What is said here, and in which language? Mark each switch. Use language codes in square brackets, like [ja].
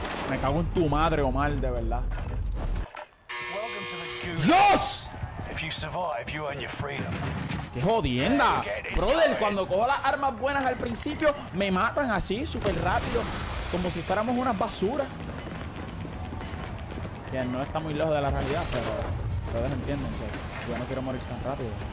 [es] Me cago en tu madre, Omar, de verdad. ¡Dios! [en] If you survive, you earn your freedom. [es] ¡Qué jodienda! Brother, cuando cojo las armas buenas al principio, me matan así, súper rápido. Como si fuéramos unas basuras. Que no está muy lejos de la realidad, pero... ustedes entienden, ¿sí? Yo no quiero morir tan rápido.